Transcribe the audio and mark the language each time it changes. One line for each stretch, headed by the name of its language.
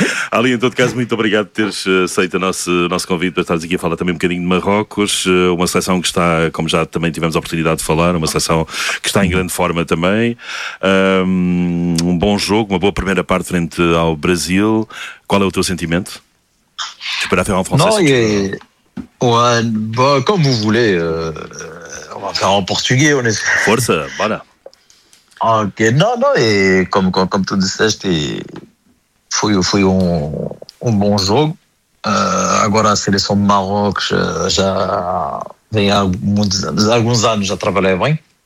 Portuguese: Ali, em todo caso, muito obrigado por teres aceito o nosso convite para estares aqui a falar também um bocadinho de Marrocos, uma seleção que está, como já também tivemos a oportunidade de falar, uma seleção que está em grande forma também, um bom jogo, uma boa primeira parte frente ao Brasil. Qual é o teu sentimento? Esperar
French: faire en français? Não, comme vous voulez, on va faire en portugais, on est...
Portuguese: Força, bora!
French: Ok, non, non, et comme tu disais,
Portuguese: foi um bom jogo. Agora a seleção de Marrocos já vem há alguns anos já trabalhei bem.